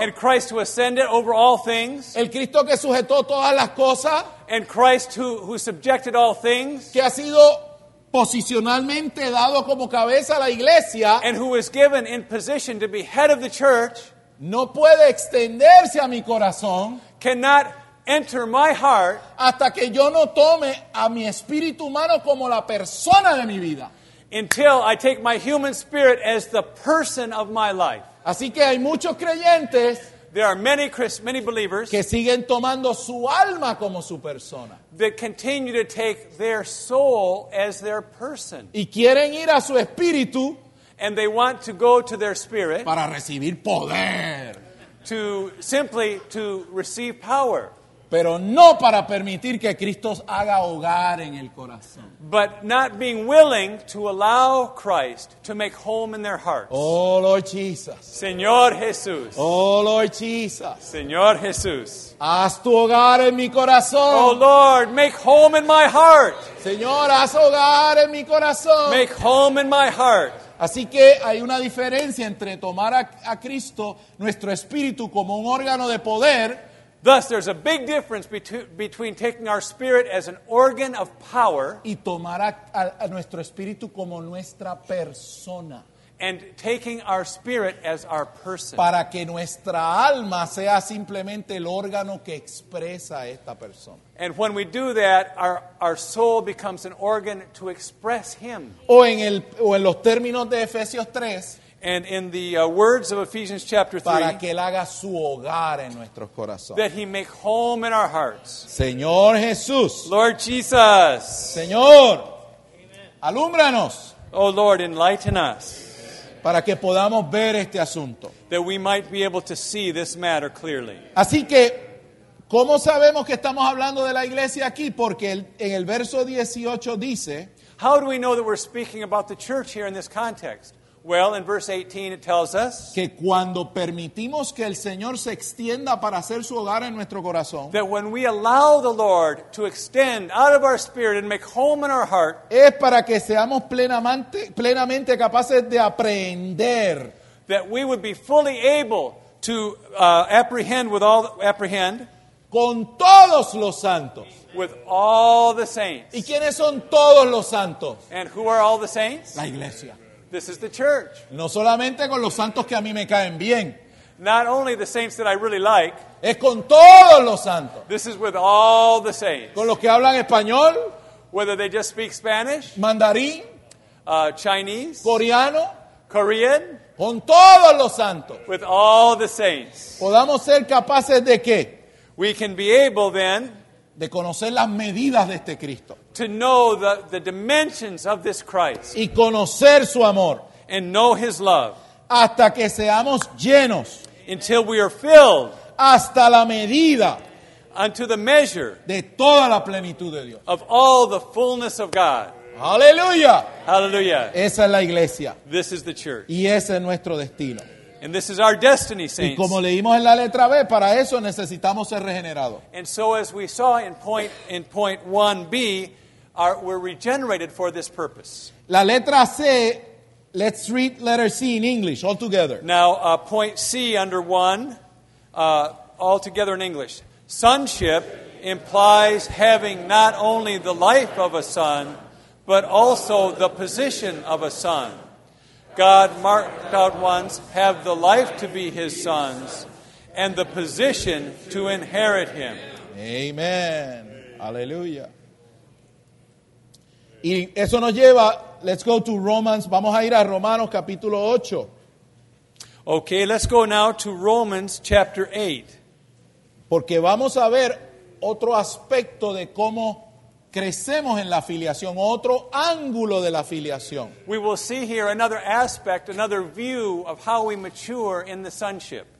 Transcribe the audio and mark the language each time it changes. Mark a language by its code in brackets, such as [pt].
[en] And Christ who ascended over all things. [es] El Cristo que sujetó todas las cosas. [en] And Christ who subjected all things. [es] Que ha sido posicionalmente dado como cabeza a la iglesia. [en] And who was given in position to be head of the church. [es] No puede extenderse a mi corazón. [en] Cannot enter my heart. [es] Hasta que yo no tome a mi espíritu humano como la persona de mi vida. [en] Until I take my human spirit as the person of my life. [es] Así que hay muchos creyentes. [en] There are many Christians, many believers. [es] Que siguen tomando su alma como su persona. [en] That continue to take their soul as their person. [es] Y quieren ir a su espíritu. [en] And they want to go to their spirit. [es] Para recibir poder. [en] To simply to receive power. [es] Pero no para permitir que Cristo haga hogar en el corazón. [en] But not being willing to allow Christ to make home in their hearts. Oh, Lord Jesus. [es] Señor Jesús. [en] Oh, Lord Jesus. [es] Señor Jesús. Haz tu hogar en mi corazón. [en] Oh, Lord, make home in my heart. [es] Señor, haz hogar en mi corazón. [en] Make home in my heart. [es] Así que hay una diferencia entre tomar a Cristo, nuestro espíritu, como un órgano de poder. [en] Thus, there's a big difference between taking our spirit as an organ of power [es] y tomar a nuestro espíritu como nuestra persona [en] and taking our spirit as our person. [es] Para que nuestra alma sea simplemente el órgano que expresa esta persona. [en] And when we do that, our soul becomes an organ to express him. [es] O en los términos de Efesios 3. [en] And in the words of Ephesians chapter 3, [es] para que él haga su hogar en nuestros corazones. [en] That he make home in our hearts. [es] Señor Jesús. [en] Lord Jesus. [es] Señor. Amen. Alúmbranos. [en] Oh Lord, enlighten us. [es] Para que podamos ver este asunto. [en] That we might be able to see this matter clearly. [es] Así que, ¿cómo sabemos que estamos hablando de la iglesia aquí? Porque en el verso 18 dice, [en] how do we know that we're speaking about the church here in this context? Well, in verse 18 it tells us [es] que cuando permitimos que el Señor se extienda para hacer su hogar en nuestro corazón, [en] that when we allow the Lord to extend out of our spirit and make home in our heart, [es] es para que seamos plenamente capaces de aprender, [en] that we would be fully able to apprehend [es] con todos los santos. [en] With all the saints. [es] ¿Y quiénes son todos los santos? [en] And who are all the saints? [es] La iglesia. [en] This is the church. [es] No solamente con los santos que a mí me caen bien. [en] Not only the saints that I really like. [es] Es con todos los santos. [en] This is with all the saints. [es] Con los que hablan español. [en] Whether they just speak Spanish. [es] Mandarín. [en] Chinese. [es] Coreano. [en] Korean. [es] Con todos los santos. [en] With all the saints. [es] ¿Podamos ser capaces de qué? [en] We can be able then. [es] De conocer las medidas de este Cristo. [en] To know the dimensions of this Christ. [es] Y conocer su amor. [en] And know his love. [es] Hasta que seamos llenos. [en] Until we are filled. [es] Hasta la medida. [en] Unto the measure. [es] De toda la plenitud de Dios. [en] Of all the fullness of God. [es] Aleluya. [en] Hallelujah. [es] Esa es la iglesia. [en] This is the church. [es] Y ese es nuestro destino. [en] And this is our destiny, saints. [es] Y como leímos en la letra B, para eso necesitamos ser regenerados. [en] And so as we saw in point 1B, we're regenerated for this purpose. [es] La letra C, [en] let's read letter C in English, all together. Now, point C under 1, all together in English. Sonship implies having not only the life of a son, but also the position of a son. God marked out ones have the life to be his sons and the position to inherit him. [es] Amen. Aleluya. Y eso nos lleva, [en] let's go to Romans, [es] vamos a ir a Romanos capítulo 8. [en] Okay, let's go now to Romans chapter 8. [es] Porque vamos a ver otro aspecto de cómo crecemos en la afiliación, otro ángulo de la afiliación. [en] We will see here another aspect, another view of how we mature in the sonship.